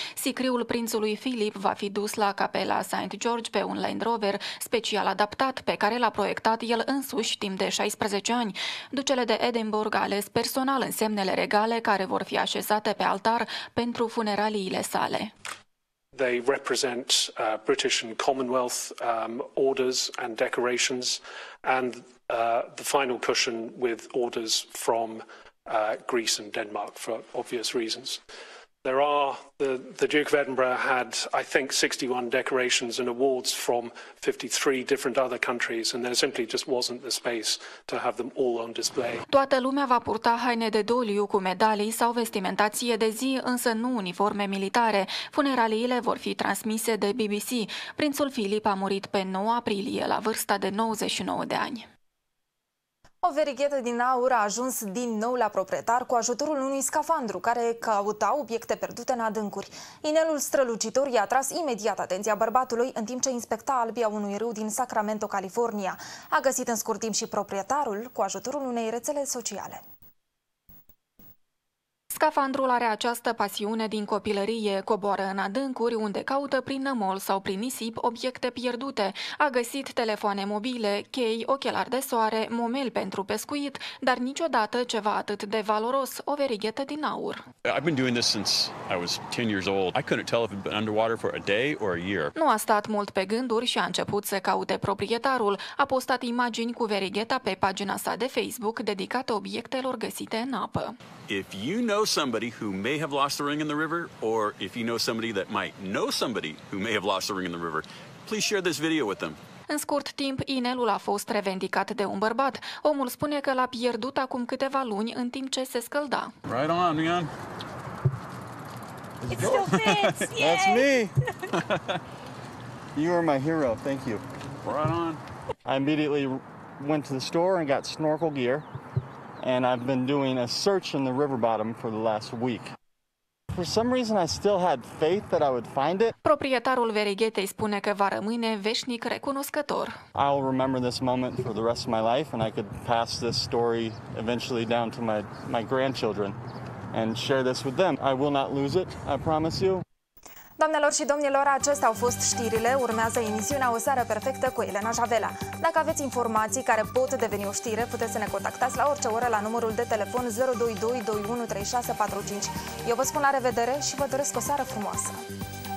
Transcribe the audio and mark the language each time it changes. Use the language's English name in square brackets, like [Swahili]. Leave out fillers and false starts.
[Romanian] Sicriul prințului Philip va fi dus la capela St. George pe un Land Rover special adaptat, pe care l-a proiectat el însuși timp de 16 ani. Ducele de Edinburgh a ales personal însemnele regale care vor fi așezate pe altar pentru funeraliile sale. [English] They represent British and Commonwealth orders and decorations and the final cushion with orders from Greece and Denmark for obvious reasons. There are the Duke of Edinburgh had I think 61 decorations and awards from 53 different other countries and there simply just wasn't the space to have them all on display. [Romanian] Toată lumea va purta haine de doliu cu medalii sau vestimentație de zi, însă nu uniforme militare. Funeraliile vor fi transmise de BBC. Prințul Philip a murit pe 9 aprilie la vârsta de 99 de ani. O verighetă din aur a ajuns din nou la proprietar cu ajutorul unui scafandru care căuta obiecte pierdute în adâncuri. Inelul strălucitor i-a atras imediat atenția bărbatului în timp ce inspecta albia unui râu din Sacramento, California. A găsit în scurt timp și proprietarul cu ajutorul unei rețele sociale. Scafandrul are această pasiune din copilărie, coboară în adâncuri unde caută prin nămol sau prin nisip obiecte pierdute. A găsit telefoane mobile, chei, ochelari de soare, momel pentru pescuit, dar niciodată ceva atât de valoros, o verighetă din aur. [English] I've been doing this since I was 10 years old. I couldn't tell if it'd been underwater for a day or a year. [Romanian] Nu a stat mult pe gânduri și a început să caute proprietarul. A postat imagini cu verigheta pe pagina sa de Facebook dedicată obiectelor găsite în apă. [English] If you know somebody who may have lost a ring in the river, or if you know somebody that might know somebody who may have lost a ring in the river, please share this video with them. [Romanian] În scurt timp, inelul a fost revendicat de un bărbat. Omul spune că l-a pierdut acum câteva luni în timp ce se scălda. [English] Right on, Leon. It still fits. That's me. You are my hero. Thank you. Right on. I immediately went to the store and got snorkel gear. And I've been doing a search in the river bottom for the last week. For some reason I still had faith that I would find it. [Romanian] Proprietarul verighetei spune că va rămâne veșnic recunoscător. [English] I'll remember this moment for the rest of my life and I could pass this story eventually down to my grandchildren and share this with them. I will not lose it, I promise you. [Romanian] Doamnelor și domnilor, acestea au fost știrile. Urmează emisiunea O seară perfectă cu Elena Javela. Dacă aveți informații care pot deveni o știre, puteți să ne contactați la orice oră la numărul de telefon 022 21 36 45. Eu vă spun la revedere și vă doresc o seară frumoasă!